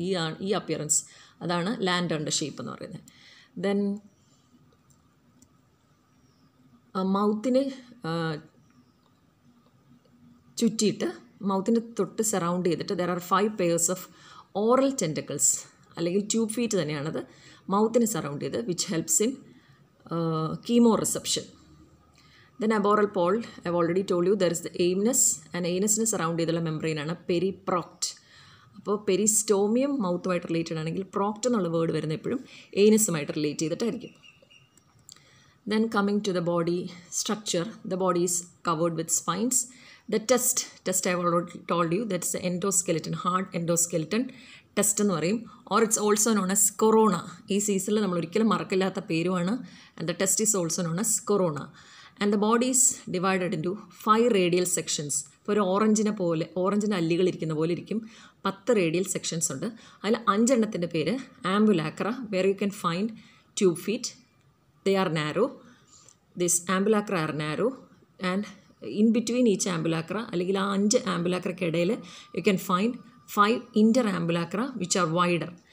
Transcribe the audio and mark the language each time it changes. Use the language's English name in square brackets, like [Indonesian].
[Malayalam] ഈ ആണ് ഈ അപ്പിയറൻസ്, അതാണ് ലാൻറ്റേണിൻ്റെ ഷേപ്പ് എന്ന് പറയുന്നത്. ദെൻ മൗത്തിന് ചുറ്റിയിട്ട് മൗത്തിൻ്റെ തൊട്ട് സറൗണ്ട് ചെയ്തിട്ട് [English] there are five pairs of oral tentacles [Malayalam] അല്ലെങ്കിൽ ട്യൂബ് ഫീറ്റ് തന്നെയാണത് മൗത്തിനെ സറൗണ്ട് ചെയ്ത്, [English] Which helps in chemoreception. Then aboral pole, I already told you there is the anus. And [Malayalam] എയ്നസിനെ surround ചെയ്തുള്ള മെംബ്രെയിനാണ് പെരിപ്രോക്റ്റ്. അപ്പോൾ പെരിസ്റ്റോമിയം മൗത്തുമായിട്ട് related ആണെങ്കിൽ പ്രോക്റ്റ് എന്നുള്ള word വരുന്ന എപ്പോഴും എയ്നസുമായിട്ട് relate ചെയ്തിട്ടായിരിക്കും. [English] Then coming to the body structure, the body is covered with spines. The test I have already told you, that's the endoskeleton, hard endoskeleton test [Malayalam] ennu parayum, [English] or it's also known as corona. [Malayalam] Ee season la nammal orikkalum marakkillatha peru aanu, [English] and the test is also known as corona. And the body is divided into five radial sections. [Malayalam] ഇപ്പോൾ ഒരു ഓറഞ്ചിനെ പോലെ, ഓറഞ്ചിൻ്റെ അല്ലികൾ ഇരിക്കുന്ന പോലെ ഇരിക്കും, പത്ത് radial sections ഉണ്ട്. അതിൽ അഞ്ചെണ്ണത്തിൻ്റെ പേര് [English] Ambulacra, where you can find tube feet. They are narrow, this ambulacra are narrow and in between each ambulacra [Malayalam] അല്ലെങ്കിൽ ആ അഞ്ച് ആംബുലാക്രക്കിടയിൽ [English] You can find five interambulacra which are wider.